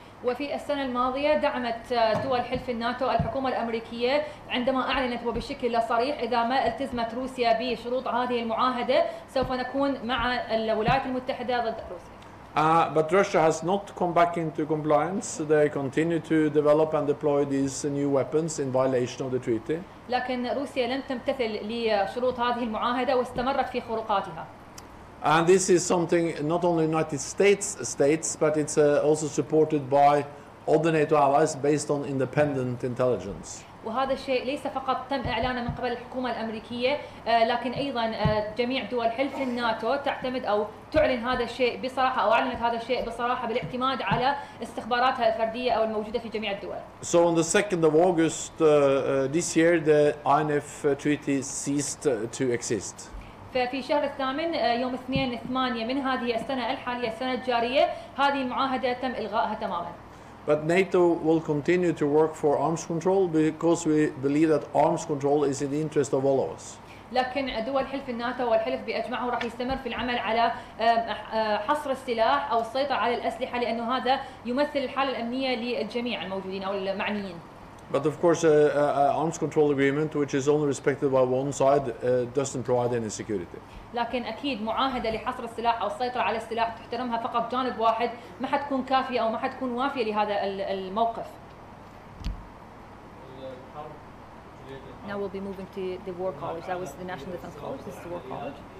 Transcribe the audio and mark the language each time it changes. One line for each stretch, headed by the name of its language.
Arabic: وفي السنة الماضية دعمت دول حلف الناتو الحكومة الأمريكية عندما أعلنت وبشكل صريح إذا ما التزمت روسيا بشروط هذه المعاهدة سوف نكون مع الولايات المتحدة ضد روسيا.
English: But Russia has not come back into compliance. They continue to develop and deploy these new weapons in violation of the treaty.
Arabic: لكن روسيا لم تمتثل لشروط هذه المعاهدة واستمرت في خروقاتها.
English: And this is something not only United States states, but it's also supported by other NATO allies based on independent intelligence.
Arabic: وهذا الشيء ليس فقط تم إعلانه من قبل الحكومة الأمريكية لكن أيضا جميع دول حلف الناتو تعتمد أو تعلن هذا الشيء بصراحة أو أعلنت هذا الشيء بصراحة بالاعتماد على استخباراتها الفردية أو الموجودة في جميع الدول.
English: So on the 2nd of August this year the INF treaty ceased to exist.
Arabic: ففي شهر الثامن يوم 2/8 من هذه السنة الحالية السنة الجارية هذه المعاهدة تم إلغائها تماما.
English: But NATO will continue to work for arms control because we believe that arms control is in the interest of all of us.
Arabic: لكن دول حلف الناتو والحلف بأجمعه راح يستمر في العمل على حصر السلاح أو السيطرة على الأسلحة لأنه هذا يمثل الحالة الأمنية للجميع الموجودين أو المعنيين.
English: But of course, an arms control agreement, which is only respected by one side, doesn't provide any security.
Arabic: لكن أكيد معاهدة لحصر السلاح أو السيطرة على السلاح تحترمها فقط جانب واحد ما حتكون كافية أو ما حتكون وافية لهذا الموقف.
English: Now we'll be moving to the war college. That was the National Defense College. This is the war college.